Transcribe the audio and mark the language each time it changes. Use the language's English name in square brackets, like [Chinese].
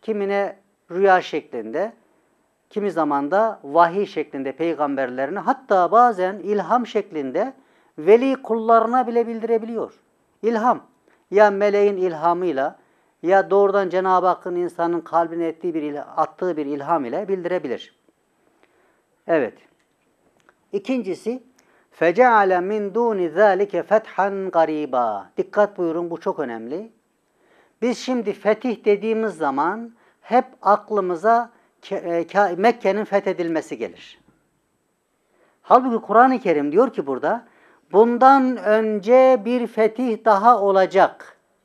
[Turkish] Kimine rüya şeklinde, kimi zaman da vahiy şeklinde peygamberlerine, hatta bazen ilham şeklinde veli kullarına bile bildirebiliyor. İlham, ya meleğin ilhamıyla ya doğrudan Cenab-ı Hakk'ın insanın kalbine ettiği bir attığı bir ilham ile bildirebilir. Evet. İkincisi, [Arabic] فَجَعَلَ مِنْ دُونِ ذَٰلِكَ فَتْحًا قَر۪يبًا. [Turkish] Dikkat buyurun, bu çok önemli. Biz şimdi fetih dediğimiz zaman hep aklımıza Mekke'nin fethedilmesi gelir. Halbuki Kur'an-ı Kerim diyor ki burada, bundan önce bir fetih daha olacak.